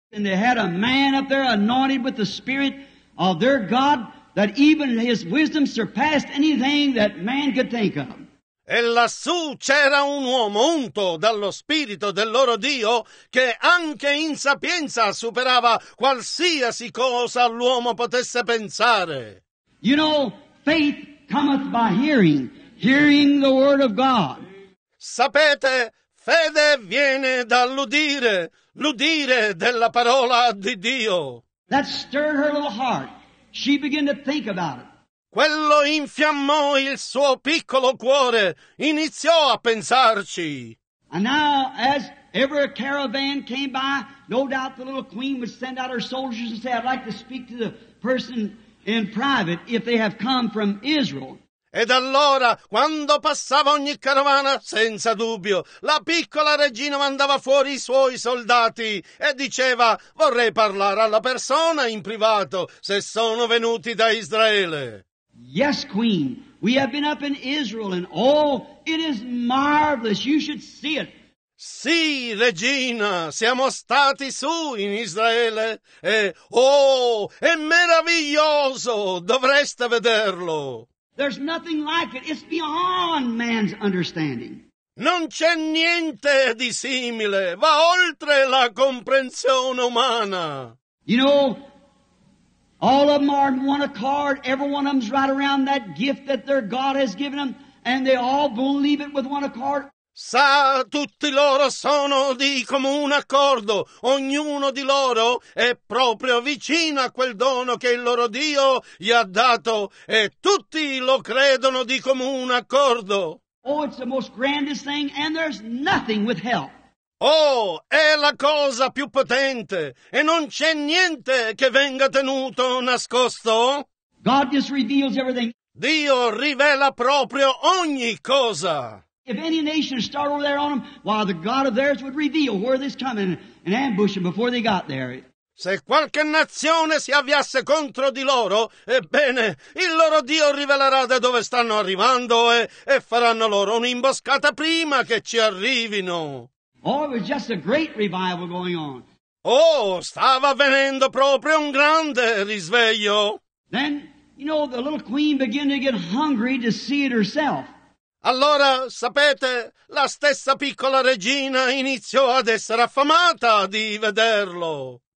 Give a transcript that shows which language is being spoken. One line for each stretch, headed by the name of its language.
English: And they had a man up there anointed with the spirit of their God that even his wisdom surpassed anything that man could think of.
Italian: E lassù c'era un uomo unto dallo spirito del loro Dio che anche in sapienza superava qualsiasi cosa l'uomo potesse pensare.
English: You know, faith cometh by hearing the word of God.
Italian: Sapete, fede viene dall'udire, l'udire della parola di Dio.
English: That stirred her little heart. She began to think about it.
Italian: Quello infiammò il suo piccolo cuore, iniziò a pensarci.
English: And now, as ever a caravan came by, no doubt the little queen would send out her soldiers and say, I'd like to speak to the person in private, if they have come from Israel.
Italian: Ed allora, quando passava ogni caravana, senza dubbio, la piccola regina mandava fuori i suoi soldati e diceva, vorrei parlare alla persona in privato, se sono venuti da Israele.
English: Yes, Queen, we have been up in Israel, and oh, it is marvelous, you should see it.
Italian: Sì, regina, siamo stati su in Israele e, oh, è meraviglioso, dovreste vederlo.
English: There's nothing like it, it's beyond man's understanding.
Italian: Non c'è niente di simile, va oltre la comprensione umana.
English: You know, all of them are in one accord, every one of them's right around that gift that their God has given them, and they all believe it with one accord.
Italian: Sa, tutti loro sono di comune accordo, ognuno di loro è proprio vicino a quel dono che il loro Dio gli ha dato e tutti lo credono di comune accordo.
English: Oh, it's the most grandest thing and there's nothing withheld.
Italian: Oh, è la cosa più potente e non c'è niente che venga tenuto nascosto.
English: God just reveals everything.
Italian: Dio rivela proprio ogni cosa.
English: If any nation started there on them, while the God of theirs would reveal where this coming and ambush them before they got there.
Italian: Se qualche nazione si avviasse contro di loro, ebbene, il loro Dio rivelerà da dove stanno arrivando e faranno loro un'imboscata prima che ci arrivino.
English: Oh, it was just a great revival going on.
Italian: Oh, stava avvenendo proprio un grande risveglio.
English: Then, you know, the little queen began to get hungry to see it herself.
Italian: Allora, sapete, la stessa piccola regina iniziò ad essere affamata di vederlo.